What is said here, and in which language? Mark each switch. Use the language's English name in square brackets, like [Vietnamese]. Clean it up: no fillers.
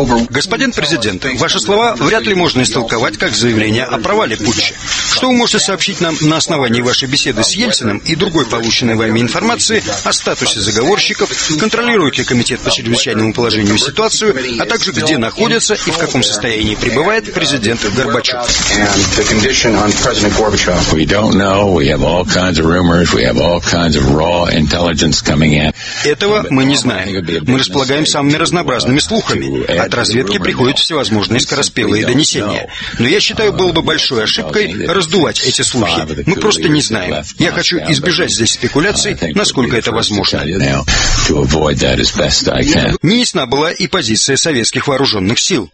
[Russian] Господин президент, ваши слова вряд ли можно истолковать как заявление о провале путча. Что вы можете сообщить нам на основании вашей беседы с Ельциным и другой полученной вами информации о статусе заговорщиков, контролирует ли комитет по чрезвычайному положению ситуацию, а также где находится и в каком состоянии пребывает президент Горбачев? [English] And the condition on President Gorbachev. We don't know. We have all kinds of rumors. We have all kinds of raw intelligence coming in. [Russian] Этого мы не знаем. Мы располагаем самыми разнообразными слухами. От разведки приходят всевозможные скороспелые донесения. Но я считаю, было бы большой ошибкой раздувать эти слухи. Мы просто не знаем. Я хочу избежать здесь спекуляций, насколько это возможно. Неясна была и позиция советских вооруженных сил.